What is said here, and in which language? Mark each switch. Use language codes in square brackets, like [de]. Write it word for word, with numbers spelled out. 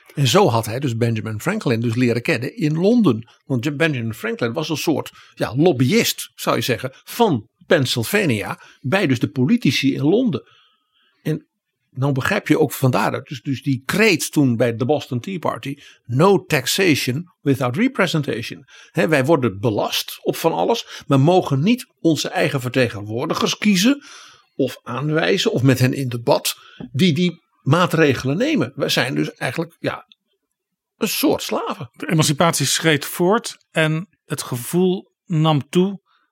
[nl] En zo had hij dus Benjamin Franklin dus leren kennen in Londen. Want Benjamin Franklin was een soort ja, lobbyist, zou je zeggen, van Pennsylvania bij dus de politici in Londen. En Nou begrijp je ook vandaar dat. Dus, dus die kreet toen bij de Boston Tea Party. [en] No taxation without representation. [nl] He, wij worden belast op van alles. Maar mogen niet onze eigen vertegenwoordigers kiezen. Of aanwijzen. Of met hen in debat. Die die maatregelen nemen. Wij zijn dus eigenlijk ja, een soort slaven. De emancipatie schreed voort. En het gevoel nam toe.